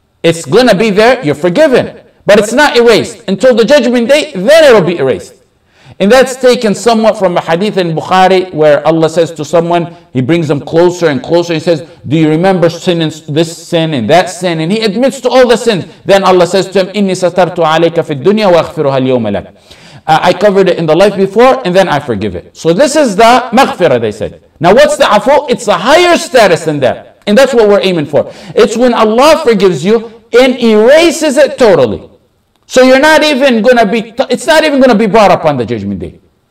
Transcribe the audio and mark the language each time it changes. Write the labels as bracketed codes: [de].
[en] It's going to be there, you're forgiven. But it's not erased. Until the judgment day, then it'll be erased. And that's taken somewhat from a hadith in Bukhari where Allah says to someone, he brings them closer and closer. He says, do you remember sin and this sin and that sin? And he admits to all the sins. Then Allah says to him, [ar] إِنِّي سَتَرْتُ عَلَيْكَ فِي الدُّنْيَا وَأَغْفِرُهَا الْيَوْمَ لَكَ. [en] I covered it in the life before and then I forgive it. So this is the maghfira, they said. Now what's the afu? It's a higher status than that. And that's what we're aiming for. It's when Allah forgives you and erases it totally. So you're not even going to be, it's not even going to be brought up on the judgment day.